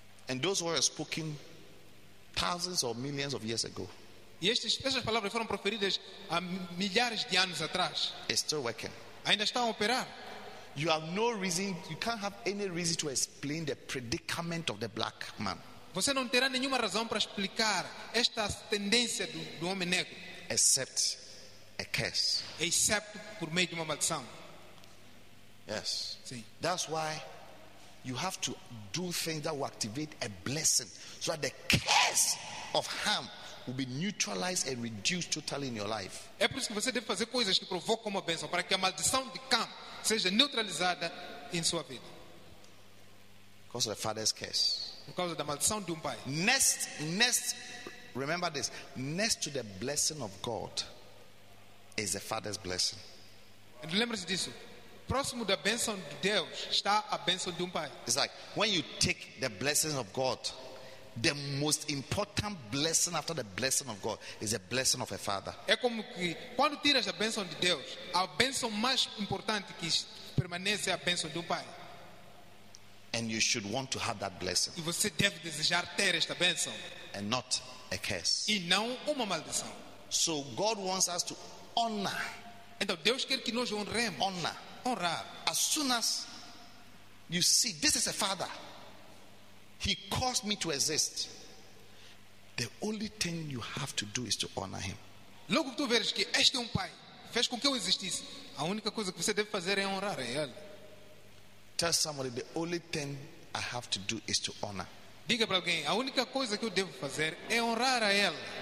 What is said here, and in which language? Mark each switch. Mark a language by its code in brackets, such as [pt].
[en] And those words were spoken thousands or millions of years ago. [pt] E essas palavras foram proferidas há milhares de anos atrás. [en] It's still working. [pt] Ainda estão a operar. [en] You have no reason, you can't have any reason to explain the predicament of the black man. [pt] Você não terá nenhuma razão para explicar esta tendência do homem negro. [en] Except a curse. [pt] Excepto por meio de uma maldição. [en] Yes. [pt] Sim. [en] That's why you have to do things that will activate a blessing so that the curse of harm will be neutralized and reduced totally in your life. [pt] É por isso que você deve fazer coisas que provocam uma bênção para que a maldição de Cam seja neutralizada em sua vida. [en] Because of the father's curse. [pt] Por causa da maldição de pai. [en] Next, remember this. Next to the blessing of God is the father's blessing. [pt] Lembre-se disso. Próximo da bênção de Deus está a bênção de pai. [en] It's like when you take the blessing of God, the most important blessing after the blessing of God is the blessing of a father. [pt] É como que quando tiras a bênção de Deus, a bênção mais importante que permanece é a bênção de pai. [en] And you should want to have that blessing. [pt] E você deve desejar ter esta bênção. [en] And not a curse. [pt] E não uma maldição. [en] So God wants us to honor. [pt] Então Deus quer que nós honremos. [en] Honor. [pt] Honrar. [en] As soon as you see this is a father, he caused me to exist. The only thing you have to do is to honor him. [pt] Logo que tu veres que este é pai, fez com que eu existisse, a única coisa que você deve fazer é honrar ele. [en] Tell somebody the only thing I have to do is to honor. [pt] Diga para alguém, a única coisa que eu devo fazer é honrar a ele.